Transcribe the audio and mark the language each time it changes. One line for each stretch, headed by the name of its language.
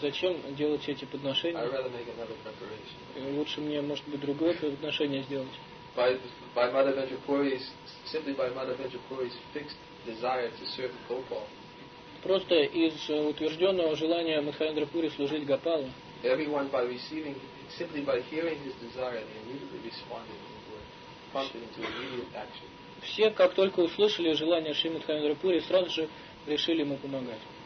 Russian: Зачем делать эти подношения?
English: I'd rather make another preparation.
Russian: Лучше мне, может быть, другое подношение сделать.
English: By Madhavendra Puri's, simply by Madhavendra Puri's fixed desire to serve Gopal.
Russian: Просто из утвержденного желания Мадхавендра Пури служить Гопалу.
English: Everyone by receiving, simply by hearing his desire, they immediately responded and were prompted into immediate action.
Russian: Все, как только услышали желание Шри Мадхавендра Пури, сразу же решили ему помогать.